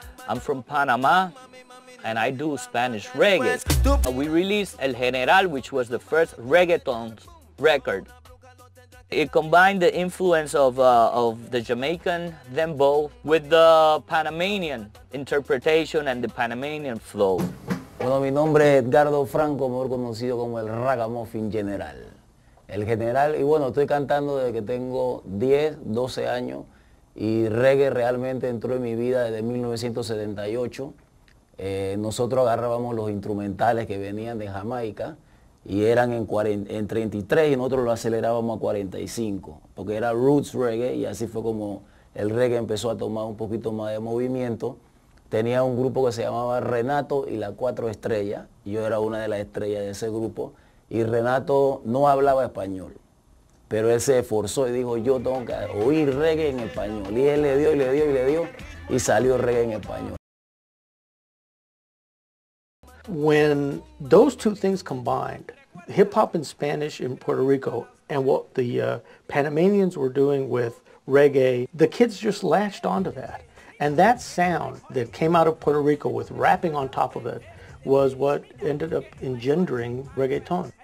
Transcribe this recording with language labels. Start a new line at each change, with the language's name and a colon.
English: I'm from Panama and I do Spanish reggae. We released El General, which was the first reggaeton record. It combined the influence of the Jamaican dembow with the Panamanian interpretation and the Panamanian flow.
Spanish: Bueno, mi nombre es Edgardo Franco, mejor conocido como el Ragamuffin General. El General, y bueno, estoy cantando desde que tengo 10, 12 años, y reggae realmente entró en mi vida desde 1978. Nosotros agarrábamos los instrumentales que venían de Jamaica, y eran en 33, y nosotros lo acelerábamos a 45, porque era roots reggae, y así fue como el reggae empezó a tomar un poquito más de movimiento. Tenía un grupo que se llamaba Renato y la Cuatro Estrellas. Yo era una de las estrellas de ese grupo. Y Renato no hablaba español. Pero él se esforzó y dijo, yo tengo que oír reggae en español. Y él le dio y le dio y le dio. Y salió reggae en español.
English: When those two things combined, hip hop in Spanish in Puerto Rico, and what the Panamanians were doing with reggae, the kids just latched onto that. And that sound that came out of Puerto Rico with rapping on top of it was what ended up engendering reggaeton.